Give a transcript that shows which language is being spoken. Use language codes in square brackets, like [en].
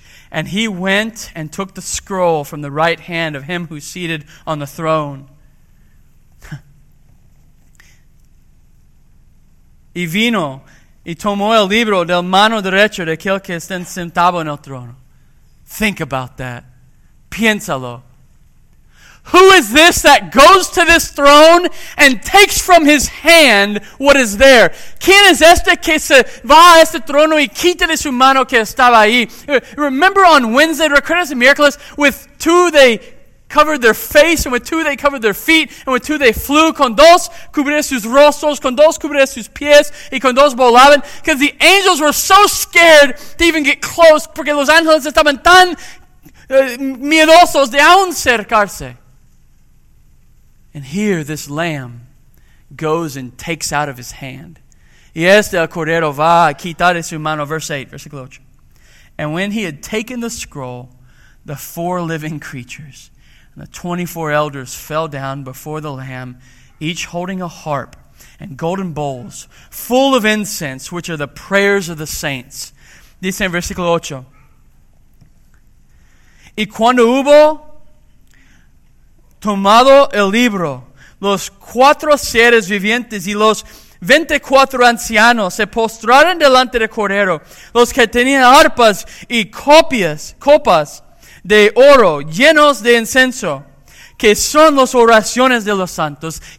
[en] And he went and took the scroll from the right hand of him who seated on the throne. [es] Y vino, y tomó el libro del mano derecha de aquel que está sentado en el trono. [en] Think about that. [es] Piénsalo. [en] Who is this that goes to this throne and takes from his hand what is there? [es] ¿Quién es este que se va a este trono y quita de su mano que estaba ahí? [en] Remember on Wednesday, [es] recuerdas el miércoles, [en] with two they covered their face, and with two they covered their feet, and with two they flew. [es] Con dos cubrieron sus rostros, con dos cubrieron sus pies, y con dos volaban. [en] Because the angels were so scared to even get close, [es] porque los ángeles estaban tan miedosos de aún acercarse. [en] And here this lamb goes and takes out of his hand. [es] Y este el cordero va a quitar de su mano. [en] Verse 8, [es] versículo 8. [en] And when he had taken the scroll, the four living creatures, the 24 elders fell down before the Lamb, each holding a harp and golden bowls full of incense, which are the prayers of the saints. [es] Dice en versículo 8. Y cuando hubo tomado el libro, los cuatro seres vivientes y los 24 ancianos se postraron delante del cordero, los que tenían arpas y copas de oro llenos de incenso, que son las oraciones de los santos.